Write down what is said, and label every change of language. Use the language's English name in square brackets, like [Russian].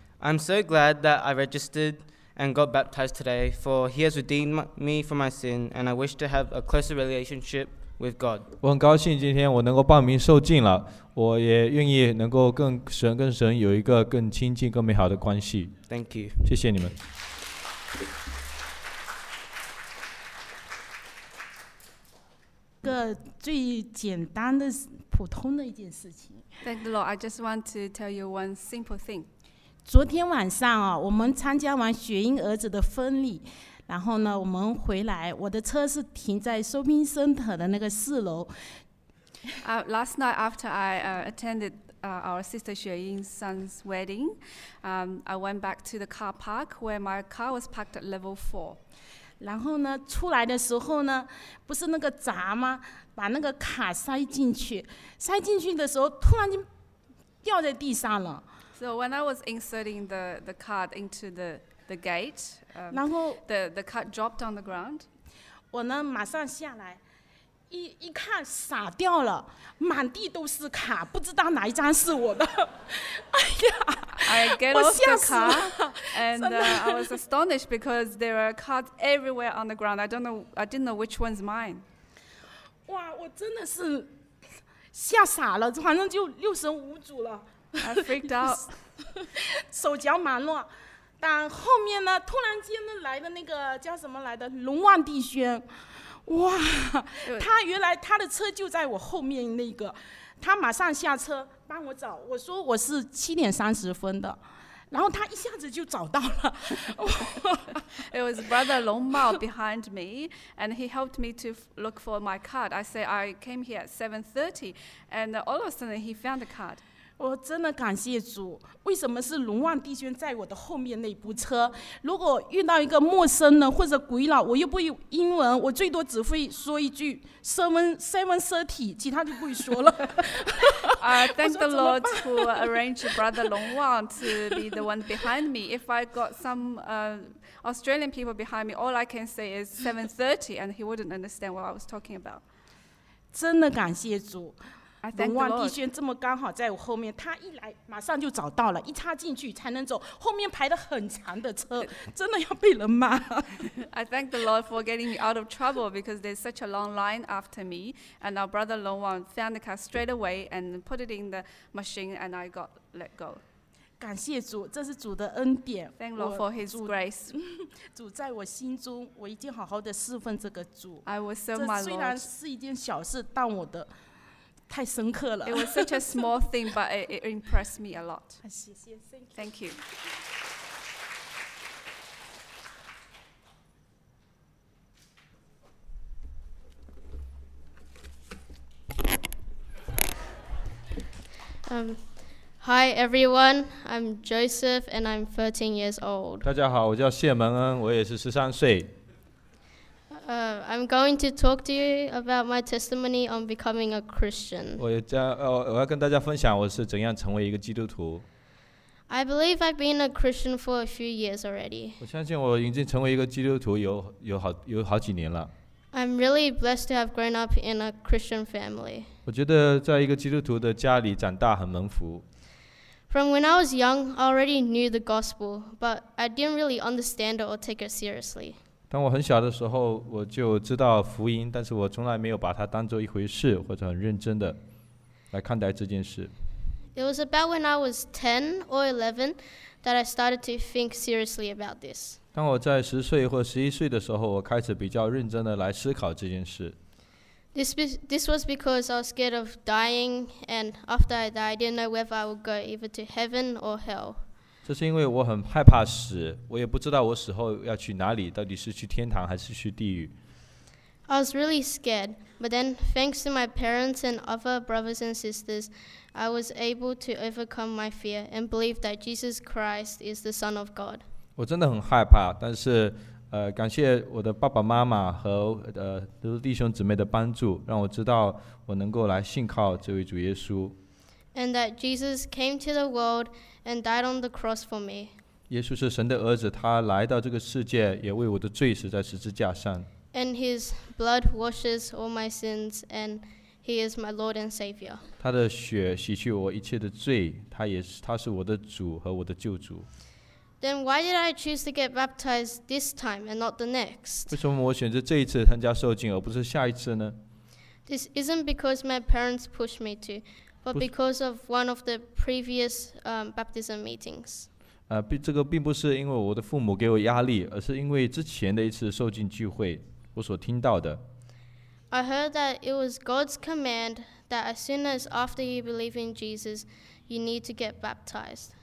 [English] I'm so glad that I registered and got baptized today, for He has redeemed me from my sin, and I wish to have a closer relationship with God. [Chinese] 我很高兴今天我能够报名受浸了，我也愿意能够跟神有一个更亲近、更美好的关系。 [English] Thank you. [Chinese] 谢谢你们。一个最简单的、普通的一件事情。 [English] Thank the Lord. I just want to tell you one simple thing. [Chinese] 昨天晚上啊，我们参加完雪英儿子的婚礼，然后呢，我们回来，我的车是停在 [English] shopping center [Chinese] 的那个四楼。 [English] Last night after I attended our sister Xue Ying's son's wedding, I went back to the car park where my car was parked at level 4. [Chinese] 然后呢，出来的时候呢，不是那个闸吗？把那个卡塞进去，塞进去的时候，突然就掉在地上了。 [English] So when I was inserting the card into the gate, [Chinese] 然后 [English] the card dropped on the ground. [Chinese] 我呢，马上下来，一看洒掉了，满地都是卡，不知道哪一张是我的。哎呀！ [English] I get off the car, and I was astonished because there are cards everywhere on the ground. I didn't know which one's mine. [Chinese] 哇，我真的是吓傻了，反正就六神无主了。 [English] I freaked out. [Chinese] 手脚忙乱，但后面呢，突然间呢来的那个叫什么来的龙旺弟兄，哇，他原来他的车就在我后面那个。他马上下车帮我找，我说我是7:30的，然后他一下子就找到了。 [English] It was Brother Long Mao behind me, and he helped me to look for my card. I say I came here at 7:30, and all of a sudden he found the card. [Chinese] 我真的感谢主，为什么是龙旺弟兄在我的后面那部车？如果遇到一个陌生人或者鬼佬，我又不有英文，我最多只会说一句 7:30, 其他就不会说了。 [English] thank the Lord who arranged Brother Long Wang to be the one behind me. If I got some Australian people behind me, all I can say is 7:30, and he wouldn't understand what I was talking about. [Chinese] 真的感谢主。龙旺弟兄这么刚好在我后面，他一来马上就找到了，一插进去才能走，后面排得很长的车，真的要被人骂。 [English] I thank the Lord for getting me out of trouble because there's such a long line after me, and our brother Long Wang found the car straight away and put it in the machine, and I got let go. [Chinese] 感谢主，这是主的恩典。 [English] Thank Lord for His grace. [Chinese] 主在我心中，我一定好好的侍奉这个主。 [English] I will serve my Lord. [Chinese] 这虽然是一件小事，但我的太深刻了。 [English] It was such a small thing, but it impressed me a lot. Thank you. Hi everyone. I'm Joseph, and I'm 13 years old. [Chinese] 大家好，我叫谢蒙恩，我也是13岁。 [English] I'm going to talk to you about my testimony on becoming a Christian. [Chinese] 我要跟大家分享我是怎样成为一个基督徒。 [English] I believe I've been a Christian for a few years already. [Chinese] 我相信我已经成为一个基督徒有好几年了。 [English] I'm really blessed to have grown up in a Christian family. [Chinese] 我觉得在一个基督徒的家里长大很蒙福。 [English] From when I was young, I already knew the gospel, but I didn't really understand it or take it seriously. [Chinese] 当我很小的时候，我就知道福音，但是我从来没有把它当作一回事，或者很认真的来看待这件事。 [English] It was about when I was 10 or 11 that I started to think seriously about this. [Chinese] 当我在十岁或十一岁的时候，我开始比较认真的来思考这件事。 [English] This was because I was scared of dying, and after I died, I didn't know whether I would go either to heaven or hell. [Chinese] 这是因为我很害怕死，我也不知道我死后要去哪里，到底是去天堂还是去地狱。 [English] I was really scared, but then thanks to my parents and other brothers and sisters, I was able to overcome my fear and believe that Jesus Christ is the Son of God. [Chinese] 我真的很害怕，但是感谢我的爸爸妈妈和弟兄姊妹的帮助，让我知道我能够来信靠这位主耶稣。 [English] and that Jesus came to the world and died on the cross for me. [Chinese] 耶稣是神的儿子，他来到这个世界，也为我的罪死在十字架上。 [English] And his blood washes all my sins, and he is my Lord and Savior. [Chinese] 他的血洗去我一切的罪，他是我的主和我的救主。 [English] Then why did I choose to get baptized this time and not the next? [Chinese] 为什么我选择这一次参加受浸，而不是下一次呢？ [English] This isn't because my parents pushed me to, but because of one of the previous baptism meetings. [Chinese] 这个并不是因为我的父母给我压力，而是因为之前的一次受浸聚会我所听到的。 [English] I heard that it was God's command that as soon as after you believe in Jesus, you need to get baptized.